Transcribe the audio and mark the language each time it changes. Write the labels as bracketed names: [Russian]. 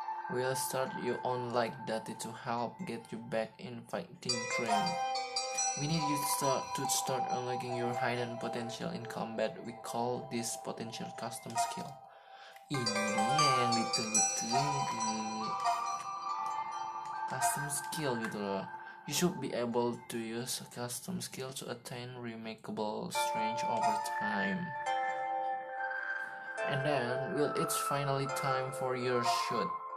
[English] We'll start you on like that to help get you back in fighting train. We need you to start unlocking your hidden potential in combat. We call this potential custom skill. [Indonesian] Ini yang ditunggu-tunggu. Custom skill gitu loh. [English] You should be able to use a custom skill to attain remarkable strength over time. And then, well, it's finally time for your shoot.